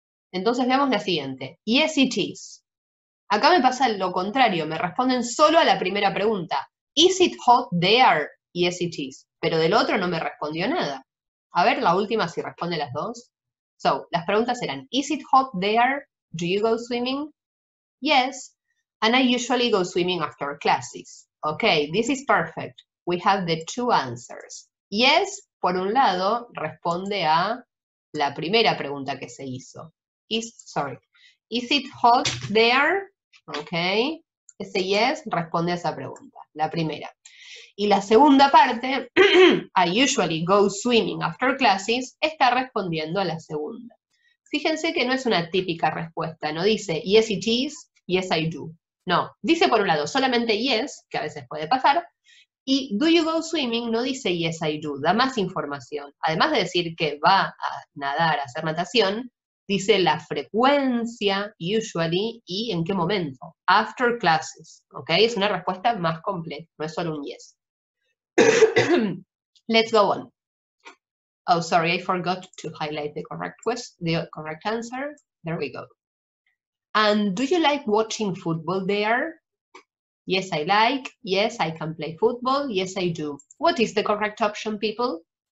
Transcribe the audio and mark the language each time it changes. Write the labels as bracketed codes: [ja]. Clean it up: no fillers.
[es] Entonces veamos la siguiente. [en] Yes, it is. [es] Acá me pasa lo contrario, me responden solo a la primera pregunta. [en] Is it hot there? Yes, it is. [es] Pero del otro no me respondió nada. A ver, la última, si responde las dos. [en] So, [es] las preguntas eran, [en] is it hot there? Do you go swimming? Yes, and I usually go swimming after classes. Okay, this is perfect. We have the two answers. [es] Yes, por un lado, responde a la primera pregunta que se hizo. [en] Is it hot there? [es] Okay, ese yes responde a esa pregunta, la primera. Y la segunda parte, [en] I usually go swimming after classes, [es] está respondiendo a la segunda. Fíjense que no es una típica respuesta, no dice [en] yes it is, yes I do. [es] No, dice por un lado solamente yes, que a veces puede pasar, y [en] do you go swimming [es] no dice [en] yes I do, [es] da más información. Además de decir que va a nadar, a hacer natación, dice la frecuencia, usually, y en qué momento. [en] After classes, [es] ¿ok? Es una respuesta más completa, no es solo un yes. [en] Let's go on. Oh, sorry, I forgot to highlight the correct answer. There we go. And do you like watching football there? Yes, I like. Yes, I can play football. Yes, I do. What is the correct option, people?